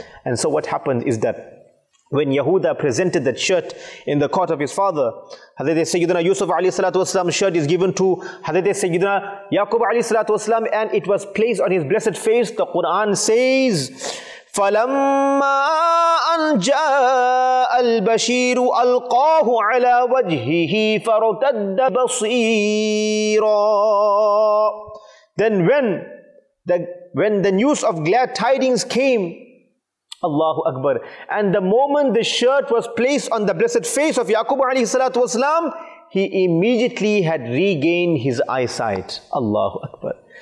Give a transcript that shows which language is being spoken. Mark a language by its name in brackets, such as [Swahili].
[English] And so what happened is that, when Yehuda presented that shirt in the court of his father, Hazrat Sayyidina Yusuf alayhi salatu wasalam's shirt is given to Hazrat Sayyidina Yaqub alayhi salatu wasalam, and it was placed on his blessed face. The Quran says, [Arabic] فَلَمَّا أن جاء البشير ألقاه على وجهه فارتد بصيرا. [English] Then when the news of glad tidings came, Allahu Akbar, and the moment the shirt was placed on the blessed face of Yaqub alayhi salatu wasalam, he immediately had regained his eyesight. Allahu Akbar.